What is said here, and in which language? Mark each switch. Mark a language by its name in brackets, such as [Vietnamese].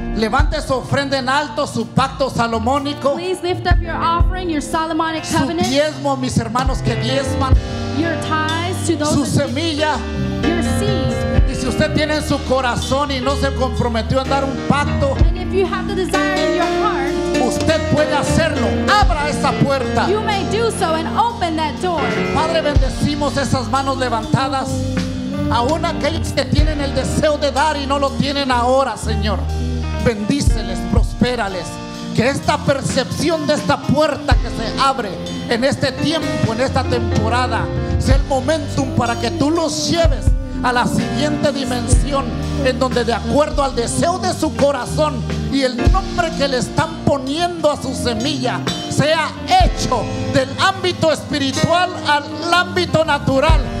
[Spanish] Levante su ofrenda en alto, su pacto salomónico. [English] Please lift up your offering, your Solomonic covenant. [Spanish] Su diezmo, mis hermanos que diezman. [English] Your tithes to those. [Spanish] Su semilla. [English] Your seeds. [Spanish] Y si usted tiene en su corazón y no se comprometió a dar un pacto, [English] and if you have the desire in your heart, [Spanish] usted puede hacerlo. Abra esa puerta. [English] You may do so and open that door. [Spanish] Padre, bendecimos esas manos levantadas. Aún aquellos que tienen el deseo de dar y no lo tienen ahora, Señor. Bendíceles, prospérales. Que esta percepción de esta puerta que se abre en este tiempo, en esta temporada, sea el momentum para que tú los lleves a la siguiente dimensión, en donde de acuerdo al deseo de su corazón y el nombre que le están poniendo a su semilla, sea hecho del ámbito espiritual al ámbito natural.